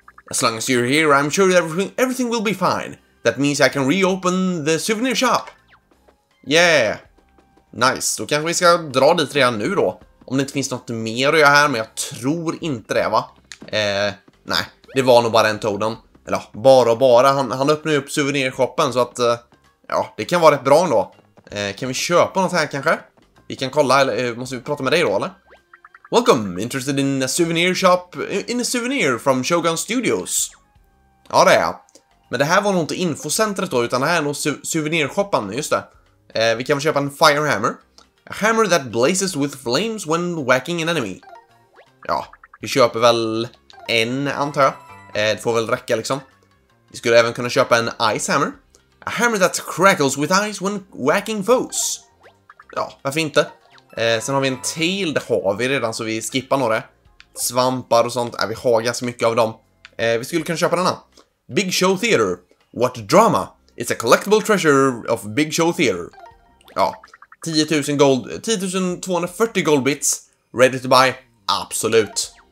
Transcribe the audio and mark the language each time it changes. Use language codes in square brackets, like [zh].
[en] As long as you're here, I'm sure everything will be fine. That means I can reopen the souvenir shop. Yeah. Nice. [sv] Då kanske vi ska dra dit redan nu då. Om det inte finns något mer att göra här, men jag tror inte det, va? Nej. Det var nog bara en toadon. Eller bara, han öppnar ju upp souvenirshoppen så att, det kan vara rätt bra ändå. Kan vi köpa något här kanske? Vi kan kolla, eller måste vi prata med dig då, eller? [en] Welcome, interested in a souvenir shop, in a souvenir from Shogun Studios. [sv] Ja, det är jag. Men det här var nog inte infocentret då, utan det här är nog souvenirshoppen, just det. Vi kan väl köpa en firehammer. [en] A hammer that blazes with flames when whacking an enemy. [sv] Ja, vi köper väl en, antar jag. Det får väl räcka liksom. Vi skulle även kunna köpa en ice hammer. [en] A hammer that crackles with ice when whacking foes. [sv] Ja, varför inte? Sen har vi en tail, det har vi redan så vi skippar några. Svampar och sånt, vi har ganska mycket av dem. Vi skulle kunna köpa denna. [en] Big Show Theater. What drama? It's a collectible treasure of Big Show Theater. Ja, 10,240 gold bits. Ready to buy? Absolut.